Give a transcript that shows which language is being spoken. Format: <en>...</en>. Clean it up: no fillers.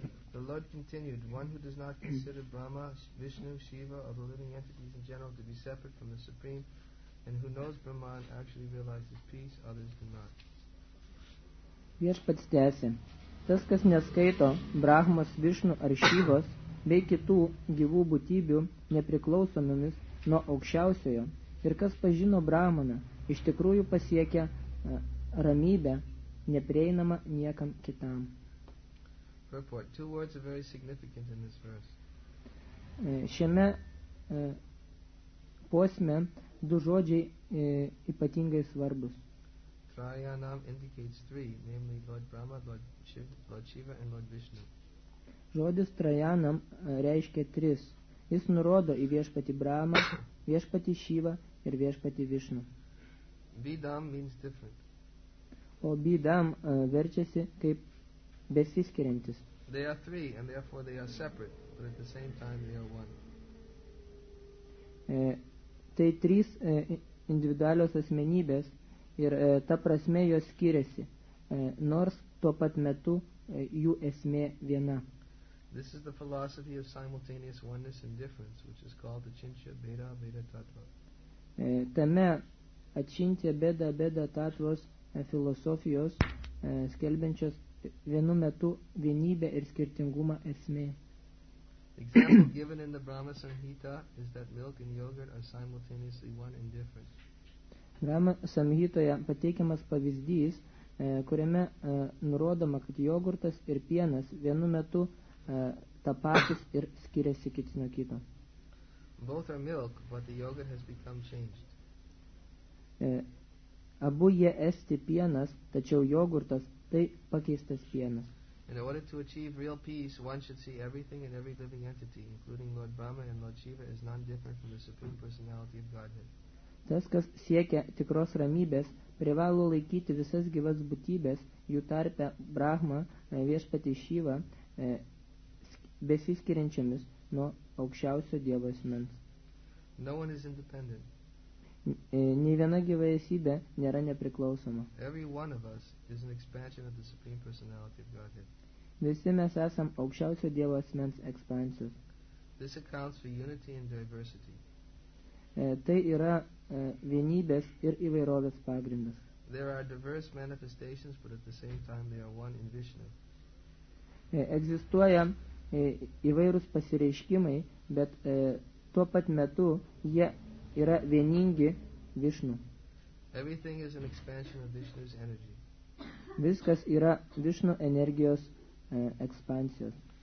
<en>The Lord continued, one who does not consider Brahma, Vishnu, Shiva, or the living entities in general to be separate from the Supreme, and who knows Brahman actually realizes peace, others do not.</en> <lt>Viešpats tęsė. Tas, kas neskaito Brahmas, Vishnu ar Shivas, bei kitų gyvų būtybių nepriklausomomis nuo aukščiausiojo, ir kas pažino Brahmaną, iš tikrųjų pasiekia ramybę, neprieinama niekam kitam.</lt> <en>Purport. Two words are very significant in this verse.</en> <lt>Šiame posme du žodžiai ypatingai svarbus.</lt> <en>Trayanam indicates three, namely Lord Brahma, Lord Shiva and Lord Vishnu.</en> <lt>Žodis Trayanam reiškia tris. Jis nurodo į viešpatį Brahmą, viešpatį Shiva ir viešpatį Vishnu.</lt> <en>Vidam means different.</en> <lt>O Vidam verčiasi kaip besiskiriantis.</lt> <en>They are three and therefore they are separate, but at the same time they are one.</en> <lt>Tai trys individualios asmenybės ir ta prasme jos skiriasi, nors tuo pat metu jų esmė viena.</lt> <en>This is the philosophy of simultaneous oneness and difference, which is called the Achintya Bheda Abheda Tattva.</en> <lt>Tame Achintya Bheda Abheda Tattvos filosofijos skelbiančios vienu metu vienybė ir skirtingumą esmė.</lt> <en>Example given in the Brahma Samhita is that milk and yogurt are simultaneously one and different.</en> <lt>Brahma Samhitoje pateikiamas pavyzdys, kuriame nurodoma, kad jogurtas ir pienas vienu metu tapatis ir skiriasi kits nuo kito.</lt> <en>Both are milk, but the yogurt has become changed.</en> <lt>Abu jie esti pienas, tačiau jogurtas tai pakeistas pienas.</lt> <en>In order to achieve real peace, one should see everything and every living entity, including Lord Brahma and Lord Shiva, as non-different from the Supreme Personality of Godhead.</en> <lt>Tas, kas siekia tikros ramybės, privalo laikyti visas gyvas būtybės, jų tarpe Brahma, viešpatį Shiva, besiskiriančiamis nuo aukščiausio Dievo asmens.</lt> <en>No one is independent.</en> <lt>Nei viena gyva esybė nėra nepriklausoma.</lt> <en>Every one of us is an expansion of the Supreme Personality of Godhead.</en> <lt>Visi mes esam aukščiausio Dievo asmens ekspansijos.</lt> <en>This accounts for unity and diversity.</en> <lt>Tai yra vienybės ir įvairovės pagrindas.</lt> <en>There are diverse manifestations, but at the same time they are one in Vishnu.</en> <lt>Egzistuoja įvairūs pasireiškimai, bet tuo pat metu jie yra vieningi Vishnu.</lt> <en>Everything is an expansion of Vishnu's energy.</en> <lt>Viskas yra Vishnu energijos ekspansijos.</lt>